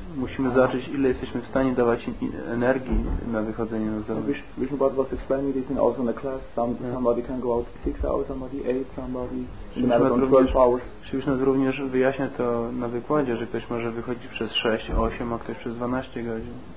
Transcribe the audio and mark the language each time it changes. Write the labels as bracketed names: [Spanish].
[Polish] musimy zobaczyć, ile jesteśmy w stanie dawać energii na wychodzenie na zewnątrz. [English] Vishnu Bhatt was explaining this in also in the class. Somebody can go out 6 hours, somebody 8, somebody in another 12 hours. [Polish] Vishnu Bhatt również wyjaśnia to na wykładzie, że ktoś może wychodzić przez 6, 8, a ktoś przez 12 godzin.